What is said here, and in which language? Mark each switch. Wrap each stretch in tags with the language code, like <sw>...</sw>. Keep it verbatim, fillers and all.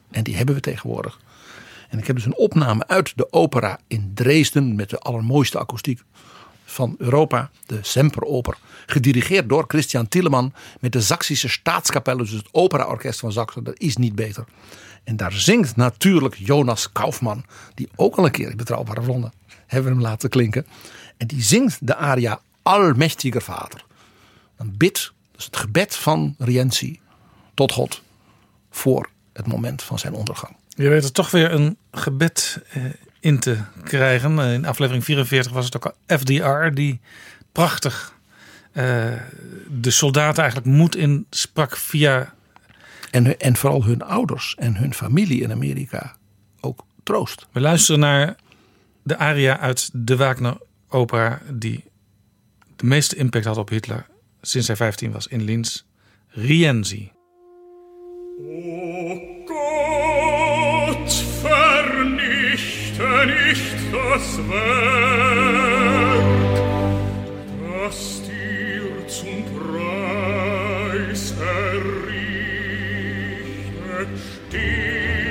<nl>En die hebben we tegenwoordig. En ik heb dus een opname uit de opera in Dresden met de allermooiste akoestiek van Europa, de Semperoper, gedirigeerd door Christian Thielemann met de Saksische Staatskapelle, dus het operaorkest van Saksen. Dat is niet beter. En daar zingt natuurlijk Jonas Kaufmann, die ook al een keer in Betrouwbare Bronnen hebben we hem laten klinken. En die zingt de aria Allmächtiger Vater. Een bid, dus het gebed van Rienzi tot God voor het moment van zijn ondergang. Je weet er toch weer een gebed in te krijgen. In aflevering vierenveertig was het ook al F D R die prachtig uh, de soldaten eigenlijk moed insprak via... En, en vooral hun ouders en hun familie in Amerika ook troost. We luisteren naar de aria uit de Wagner-opera die de meeste impact had op Hitler sinds hij vijftien was in Linz. Rienzi.</nl> <de>O Gott, vernichte nicht das Werk, das dir zum Preis errichtet. Steht.</de>